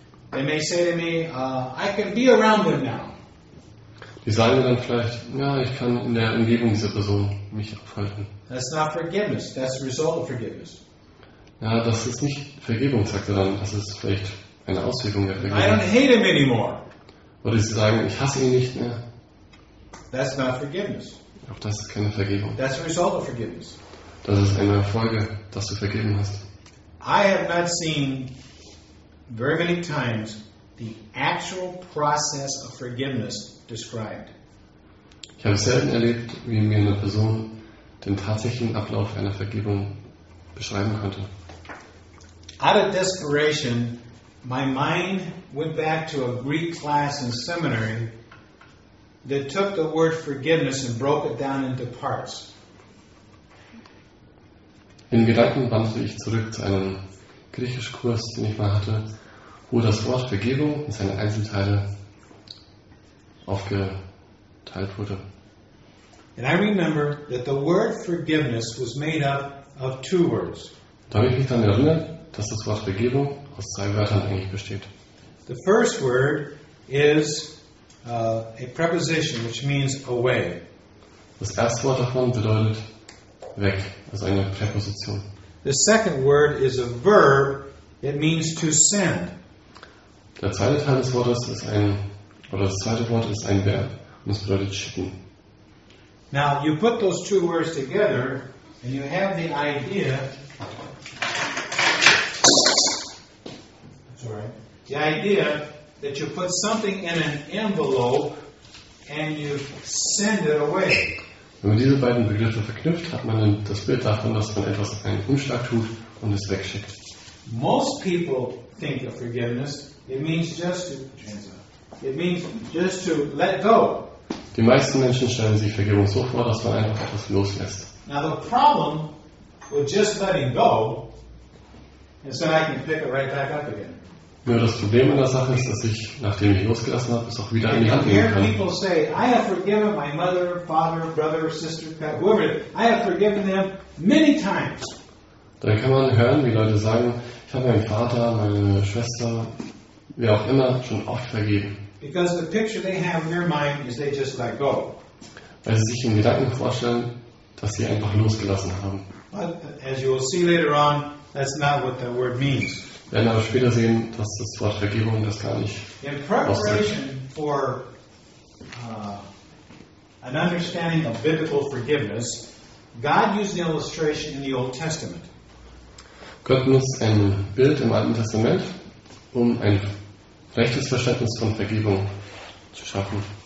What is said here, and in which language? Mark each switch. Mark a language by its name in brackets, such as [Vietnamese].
[English] They may say to me, I can be around them now. [German] Die sagen mir dann vielleicht, ja, ich kann in der Umgebung dieser Person mich aufhalten. [English] That's not forgiveness, that's the result of forgiveness. [German] Ja, das ist nicht Vergebung, sagt er dann, das ist vielleicht eine Auswirkung der Vergebung. [English] I don't hate him anymore. [German] Oder sie sagen, ich hasse ihn nicht mehr. [English] That's not forgiveness. [German] Auch das ist keine Vergebung. [English] That's the result of forgiveness. [German] Das ist eine Folge, dass du vergeben hast. [English] I have not seen very many times the actual process of forgiveness described. [German] Ich habe selten erlebt, wie mir eine Person den tatsächlichen Ablauf einer Vergebung beschreiben konnte. [English] Out of desperation, my mind went back to a Greek class in seminary that took the word forgiveness and broke it down into parts. [German] In Gedanken wandte ich zurück zu einem Griechischkurs, den ich mal hatte, wo das Wort Vergebung in seine Einzelteile aufgeteilt wurde. [English] And I remember that the word forgiveness was made up of two words. [German] Da habe ich mich dann erinnert, dass das Wort Vergebung aus zwei Wörtern eigentlich besteht. [English] The first word is a preposition, which means away. [German] Das erste Wort davon bedeutet weg, also eine Präposition. [English] The second word is a verb. It means to send. [German] Der zweite Teil des Wortes ist ein, oder das zweite Wort ist ein Verb und es bedeutet schicken. [English] Now you put those two words together, And you have the idea. That's all right. The idea that you put something in an envelope and you send it away. [German] Wenn man diese beiden Begriffe verknüpft, hat man dann das Bild davon, dass man etwas auf einen Umschlag tut und es wegschickt. [English] Most people think of forgiveness. It means just to let go. [German] Die meisten Menschen stellen sich Vergebung so vor, dass man einfach etwas loslässt. [English] Now the problem with just letting go is that I can pick it right back up again. [German] Nur das Problem an der Sache ist, dass ich, nachdem ich losgelassen habe, es auch wieder in die Hand nehmen kann. [English] People say, I have forgiven my mother, father, brother, sister, whoever. I have forgiven them many times. [German] Dann kann man hören, wie Leute sagen, ich habe meinen Vater, meine Schwester, wer auch immer, schon oft vergeben. [English] Because the picture they have in their mind is they just let go. [German] Weil sie sich im Gedanken vorstellen, dass sie einfach losgelassen haben. [English] But as you will see later on, that's not what the word means. [German] Wir werden aber später sehen, dass das Wort Vergebung das gar nicht [English] in preparation [German] ausdrückt. [English] For an understanding of biblical forgiveness, God used the illustration in the Old Testament. [German] Gott nutzt ein Bild im Alten Testament, um ein rechtes Verständnis von Vergebung zu schaffen.